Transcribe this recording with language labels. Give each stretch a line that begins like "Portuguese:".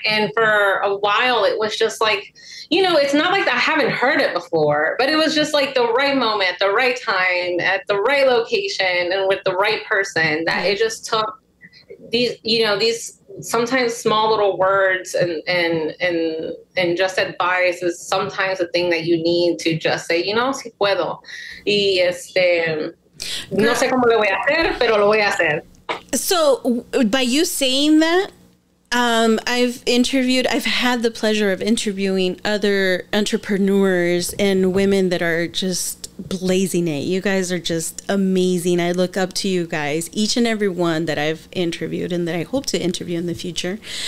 English: And for a while, it was just like, you know, it's not like I haven't heard it before, but it was just like the right moment, the right time, at the right location, and with the right person, that it just took these, you know, these sometimes small little words and just advice is sometimes the thing that you need to just say, you know,
Spanish: si puedo. Y este, no sé cómo lo voy a hacer, pero lo voy a hacer.
English: So by you saying that, I've had the pleasure of interviewing other entrepreneurs and women that are just blazing it. You guys are just amazing. I look up to you guys, each and every one that I've interviewed and that I hope to interview in the future.